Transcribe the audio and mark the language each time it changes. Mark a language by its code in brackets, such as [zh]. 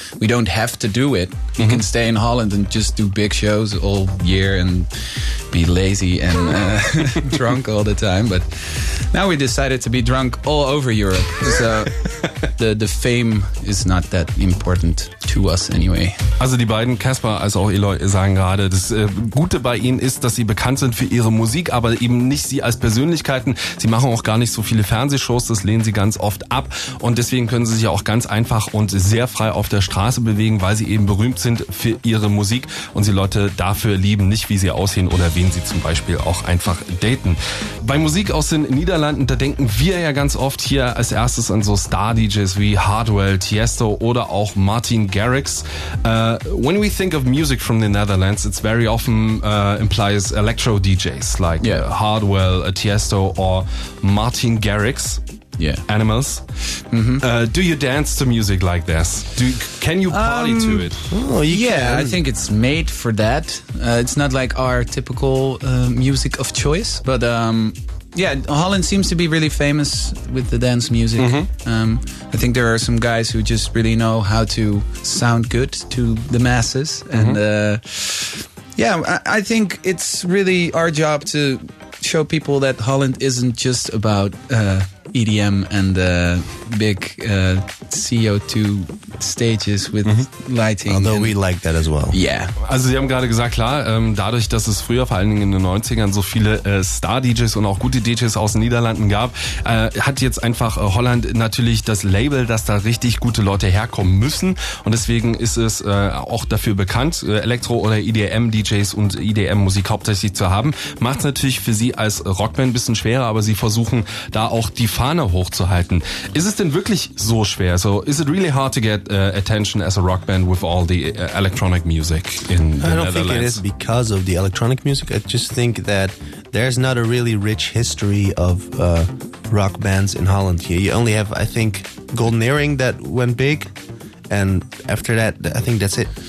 [en] We don't have to do it. Mm-hmm. You can stay in Holland and just do big shows all year and be lazy and drunk all the time. But now we decided to be drunk all over Europe. So the fame is not that important to us anyway. [de] Also die beiden, Kasper als auch Eloy, sagen gerade, das Gute bei ihnen ist, dass sie bekannt sind für ihre Musik, aber eben nicht sie als Persönlichkeiten. Sie machen auch gar nicht so viele Fernsehshows, das lehnen sie ganz oft ab. Und deswegen können sie sich auch ganz einfach und sehr frei auf der Straße bewegen, weil sie eben berühmt sind für ihre Musik und sie Leute dafür lieben, nicht wie sie aussehen oder wen sie zum Beispiel auch einfach daten. Bei Musik aus den Niederlanden, da denken wir ja ganz oft hier als erstes an so Star-DJs wie Hardwell, Tiesto oder auch Martin Garrix. [en] When we think of music from the Netherlands, it's very often implies electro DJs like Hardwell, Tiesto or Martin Garrix. Yeah. Animals. Mm-hmm. Do you dance to music like this? Can you party to it? I think it's made for that. It's not like our typical music of choice, but Holland seems to be really famous with the dance music. Mm-hmm. I think there are some guys who just really know how to sound good to the masses. Mm-hmm. And I think it's really our job to show people that Holland isn't just about EDM and big CO2 stages with lighting. Although we like that as well. Yeah. [de] Also Sie haben gerade gesagt, klar, dadurch, dass es früher vor allen Dingen in den 90ern so viele Star-DJs und auch gute DJs aus den Niederlanden gab, hat jetzt einfach Holland natürlich das Label, dass da richtig gute Leute herkommen müssen. Und deswegen ist es auch dafür bekannt, Elektro- oder EDM-DJs und EDM-Musik hauptsächlich zu haben. Macht es natürlich für Sie als Rockband ein bisschen schwerer, aber Sie versuchen da auch die Fahne hochzuhalten. Ist es denn wirklich so schwer? [en] So, is it really hard to get attention as a rock band with all the electronic music in the Netherlands? I don't think it is because of the electronic music. I just think that there's not a really rich history of rock bands in Holland here. You only have, I think, Golden Earring that went big, and after that, I think that's it.